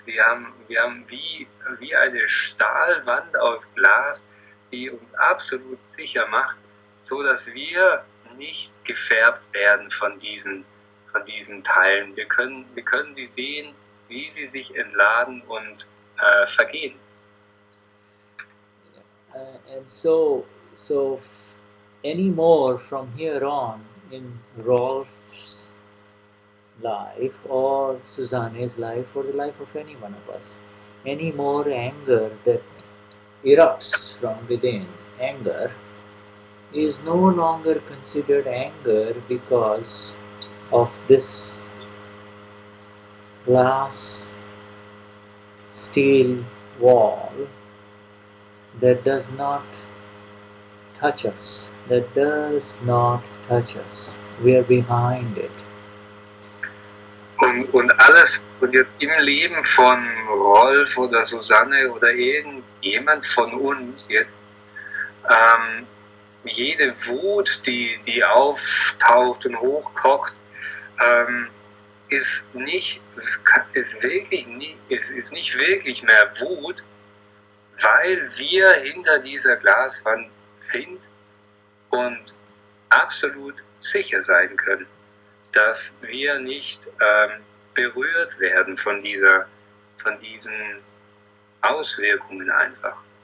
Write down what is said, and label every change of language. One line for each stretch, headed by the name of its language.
German: Wir haben wie eine Stahlwand aus Glas, die uns absolut sicher macht, so dass wir nicht gefärbt werden von diesen Teilen. Wir können sie sehen, wie sie sich entladen und vergehen.
English: And so any more from here on in Rolf's life or Susanne's life or the life of any one of us, any more anger that erupts from within, anger is no longer considered anger because of this glass steel wall that does not touch us, that does not touch us. We are behind it.
German: Und alles, und jetzt im Leben von Rolf oder Susanne oder irgendjemand von uns jetzt, jede Wut, die auftaucht und hochkocht, ist nicht wirklich mehr Wut, weil wir hinter dieser Glaswand sind und absolut sicher sein können, dass wir nicht berührt werden von diesen Auswirkungen einfach.